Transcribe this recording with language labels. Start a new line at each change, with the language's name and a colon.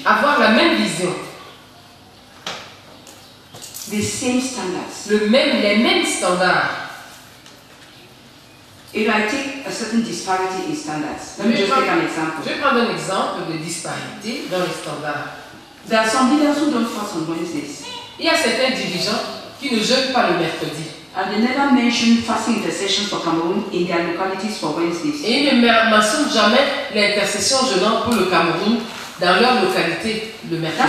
French: Avoir la même vision.
English: The same standards.
French: Les mêmes standards.
English: If I take a certain disparity in standards, let me just take an example.
French: Je vais prendre un exemple de disparité dans les standards.
English: There are some leaders who don't fast on Wednesdays.
French: Il y a certains dirigeants qui ne jeûnent pas le mercredi.
English: And they never mention fasting intercession for Cameroon in their localities for Wednesdays.
French: Et ils ne mentionnent jamais l'intercession jeûnant pour le Cameroun dans leur localité le mercredi.